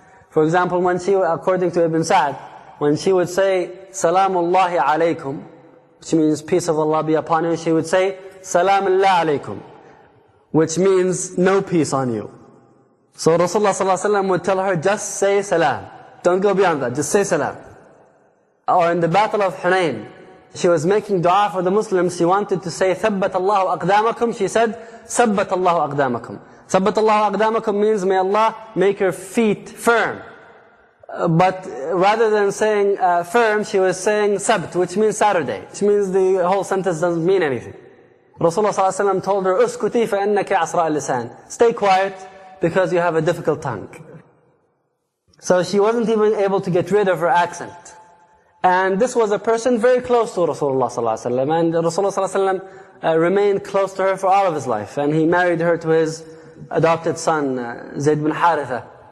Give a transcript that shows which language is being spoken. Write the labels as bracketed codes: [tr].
[en] For example, when she, according to Ibn Sa'd, when she would say, Salamullahi alaykum, which means peace of Allah be upon you, she would say, Salamullah alaykum, which means no peace on you. So Rasulullah ﷺ would tell her, just say salam. Don't go beyond that, just say salam. Or in the battle of Hunayn, she was making dua for the Muslims. She wanted to say, [ar] ثَبَّتَ اللَّهُ أَقْدَامَكُمْ. [en] She said, [ar] ثَبَّتَ اللَّهُ أَقْدَامَكُمْ. ثَبَّتَ اللَّهُ أَقْدَامَكُمْ [en] means, may Allah make your feet firm. But rather than saying firm, she was saying sabt, which means Saturday. Which means the whole sentence doesn't mean anything. Rasulullah ﷺ told her, [ar] أُسْكُتِي فَإِنَّكَ عَصْرَى اللِّسَانِ. [en] Stay quiet, because you have a difficult tongue. So she wasn't even able to get rid of her accent. And this was a person very close to Rasulullah ﷺ, and Rasulullah ﷺ remained close to her for all of his life. And he married her to his adopted son, Zayd bin Haritha.